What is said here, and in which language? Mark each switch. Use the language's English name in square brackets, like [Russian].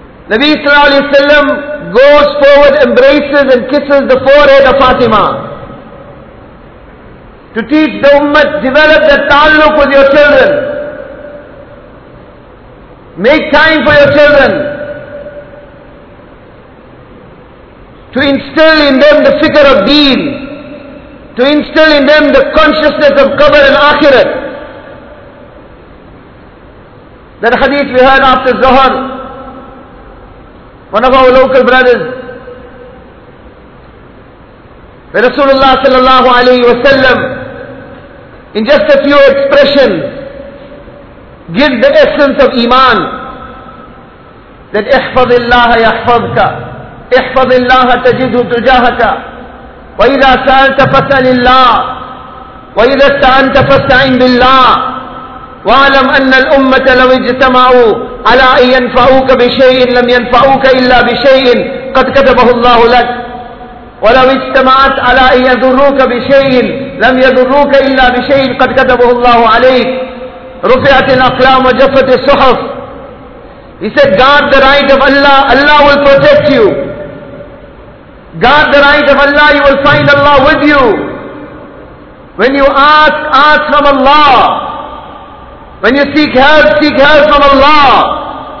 [English] Nabi sallallahu alaihi wasallam goes forward, embraces and kisses the forehead of Fatima to teach the ummah, develop that ta'alluq with your children, make time for your children, to instill in them the fikr of deen, to instill in them the consciousness of qabr and akhirat. That hadith we heard after Zuhr, one of our local brothers, where Rasulullah sallallahu alaihi wasallam, in just a few expressions, gives the essence of iman, [Arabic] that احفظ الله يحفظك احفظ الله تجده تجاهك وإذا سألت فسأل الله وإذا استعنت فاستعن بالله وَعَلَمْ أَنَّ الْأُمَّةَ لَوْ اجْتَمَعُوا عَلَىٰ أَنْ يَنْفَعُوكَ بِشَيْءٍ لَمْ يَنْفَعُوكَ إِلَّا بِشَيْءٍ قَدْ كَتَبَهُ اللَّهُ لَكَ وَلَوْ اجْتَمَعَتْ عَلَىٰ أَنْ يَذُرُّوكَ بِشَيْءٍ لَمْ يَذُرُّوكَ إِلَّا بِشَيْءٍ قَدْ كَتَبَهُ اللَّهُ عَلَيْكَ رُفِعَتِ الْأَقْلَامُ وَجَفَّتِ الصُّحُفُ. [English] He said, guard the right of Allah, Allah will protect you. Guard the right of Allah, you will find Allah with you. When you ask, ask from Allah. When you seek help from Allah.